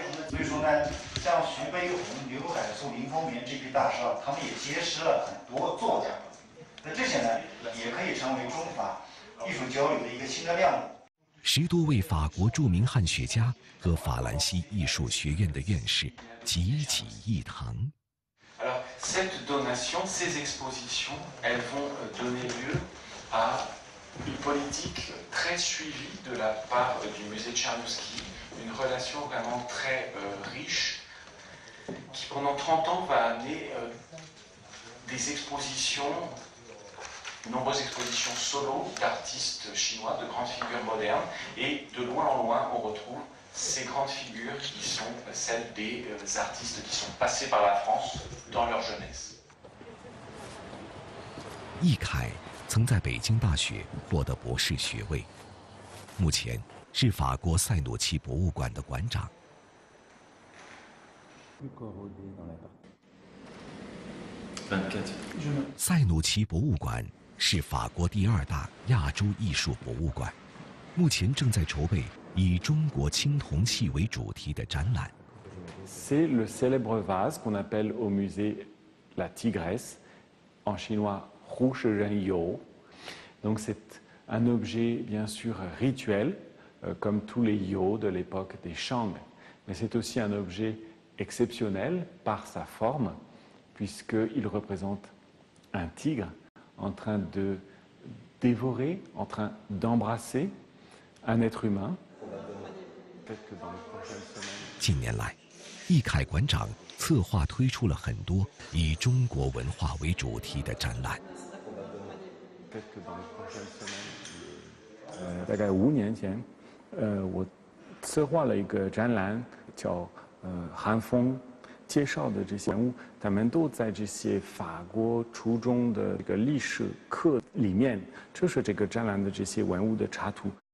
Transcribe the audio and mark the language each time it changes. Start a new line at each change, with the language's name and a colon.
Chinese: 所以说呢，像徐悲鸿、刘海粟、林风眠这批大师，他们也结识了很多作家，那这些呢也可以成为中法艺术交流的一个新的亮点。 10多位法国著名汉学家和法兰西艺术学院的院士集体一堂。
French: Alors, cette donation, ces expositions, elles vont donner lieu à une politique très suivie de la part du musée Tchernouski. Une relation vraiment très riche qui pendant 30 ans va amener des expositions, nombreuses expositions solo d'artistes chinois, de grandes figures modernes. Et de loin en loin, on retrouve ces grandes figures qui sont celles des artistes qui sont passés par la France dans leur jeunesse.
Chinese: 易凯曾在北京大学获得博士学位，目前是法国塞努奇博物馆的馆长。塞努奇博物馆是法国第二大亚洲艺术博物馆，目前正在筹备以中国青铜器为主题的展览。
French: C'est le célèbre vase qu'on appelle au musée la tigresse, en chinois Hu Shi Ren You. Donc c'est un objet bien sûr rituel. Comme tous les yo de l'époque des Shang. Mais c'est aussi un objet exceptionnel par sa forme, puisqu'il représente un tigre en train de dévorer, en train d'embrasser un être humain. Peut-être que dans les prochaines semaines.
Chinese: 近年来，易凯馆长策划推出了很多以中国文化为主题的展览。
French: Peut-être que dans les prochaines semaines.
Chinese: 大概5年前。我策划了一个展览，叫韩风，介绍的这些人物，他们都在这些法国初中的这个历史课里面，就是这个展览的这些文物的插图。